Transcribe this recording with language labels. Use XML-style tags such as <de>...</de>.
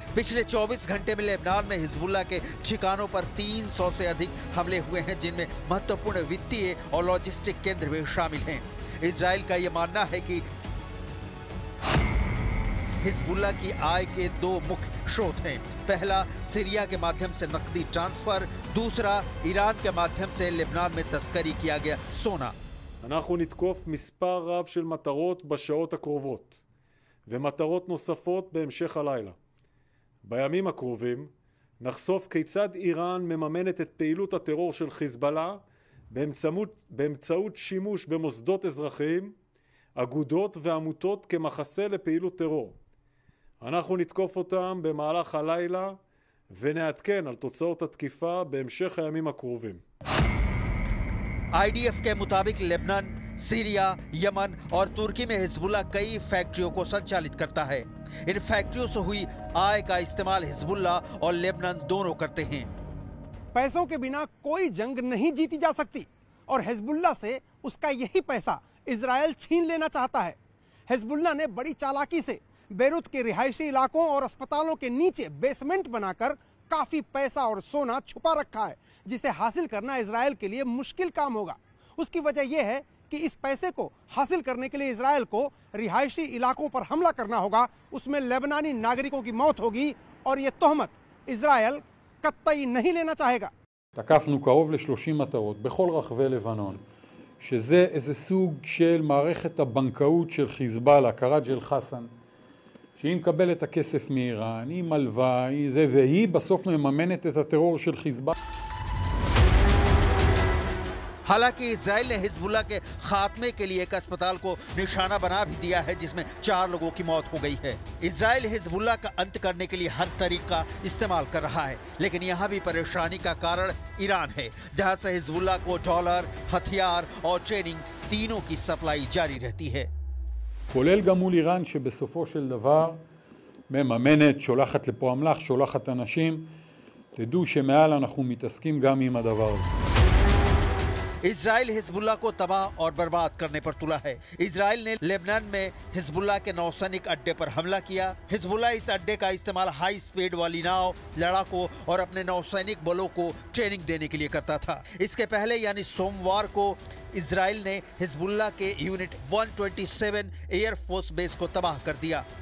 <hi>पिछले 24 घंटे में लेबनान में हिजबुल्ला के ठिकानों पर 300 से अधिक हमले हुए हैं, जिनमें महत्वपूर्ण वित्तीय और लॉजिस्टिक केंद्र भी शामिल हैं। इजरायल का ये मानना है कि हिजबुल्ला की आय के दो मुख्य स्रोत हैं, पहला सीरिया के माध्यम से नकदी ट्रांसफर, दूसरा ईरान के माध्यम से लेबनान में तस्करी किया गया सोना।</hi> <he>אנחנו נתקוף מספר רב של מטרות בשעות הקרובות ומטרות נוספות בהמשך הלילה. בימים הקרובים נחשוף כיצד איראן מממנת את פעילות הטרור של חיזבאללה באמצעות שימוש במוסדות אזרחיים, אגודות ועמותות כמחסה לפעילות טרור. אנחנו נתקוף אותם במהלך הלילה ונעדכן על תוצאות התקיפה בהמשך הימים הקרובים.</he> <hi>IDF के मुताबिक लेबनान, सीरिया, यमन और तुर्की में हिजबुल्ला कई फैक्ट्रियों को संचालित करता है। इन फैक्ट्रियों से हुई आय का इस्तेमाल हिजबुल्ला और लेबनान दोनों करते हैं। पैसों के बिना कोई जंग नहीं जीती जा सकती और हिजबुल्ला से उसका यही पैसा इजराइल छीन लेना चाहता है। हिजबुल्ला ने बड़ी चालाकी से बेरूत के रिहायशी इलाकों और अस्पतालों के नीचे बेसमेंट बनाकर काफी पैसा और सोना छुपा रखा है, जिसे हासिल करना इसराइल के लिए मुश्किल काम होगा। उसकी वजह यह है कि इस पैसे को हासिल करने के लिए इसराइल को रिहायशी इलाकों पर हमला करना होगा, उसमें लेबनानी नागरिकों की मौत होगी और यह तोहमत इसराइल कतई नहीं लेना चाहेगा।</hi> <he>תקפנו קרוב ל-30 מטרות בכל רחבי לבנון, שזה איזה סוג של מערכת הבנקאות של חיזבאללה, קראג' אל חסן, שהיא מקבלת את הכסף מאיראן, היא מלווה, היא זה, והיא בסוף מממנת את הטרור של חיזבאללה.</he> <hi>हालांकि इसराइल ने हिजबुल्ला के खात्मे के लिए एक अस्पताल को निशाना बना भी दिया है, जिसमें 4 लोगों की मौत हो गई है। इसराइल हिजबुल्ला का अंत करने के लिए हर तरीका इस्तेमाल कर रहा है, लेकिन यहां भी परेशानी का कारण ईरान है, जहां से हिजबुल्ला को डॉलर, हथियार और ट्रेनिंग तीनों की सप्लाई जारी रहती है।</hi> <he>כולל גם מול איראן שבסופו של דבר מממנת, שולחת לפה אמל"ח, שולחת אנשים. תדעו שמעל אנחנו מתעסקים גם עם הדבר הזה.</he> <hi>इसराइल हिजबुल्ला को तबाह और बर्बाद करने पर तुला है। इसराइल ने लेबनान में हिजबुल्ला के नौसैनिक अड्डे पर हमला किया। हिजबुल्ला इस अड्डे का इस्तेमाल हाई स्पीड वाली नाव, लड़ाकों और अपने नौसैनिक बलों को ट्रेनिंग देने के लिए करता था। इसके पहले यानी सोमवार को इसराइल ने हिजबुल्ला के यूनिट 127 एयरफोर्स बेस को तबाह कर दिया।</hi>